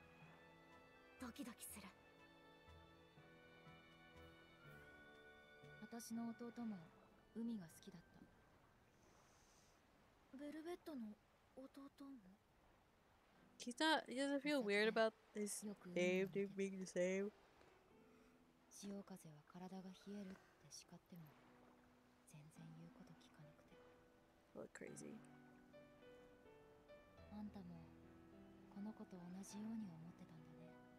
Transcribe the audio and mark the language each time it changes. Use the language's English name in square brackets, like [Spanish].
[Japanese] 海が好きなのね。海。シャーク。波は怖い。怖い。サメや変な魚も。でもすごく大きくて不思議で。あの先に何があるのかなって考えるとドキドキする。私の弟も海が好きだった。ベルベットの弟も。 [English] He's not, he doesn't feel weird about this name being the same. [Japanese] 潮風は体が冷えるって叱っても全然言うこと聞かなくて。 [English] Look crazy. [Japanese] あんたもこの子と同じように思ってたんだね。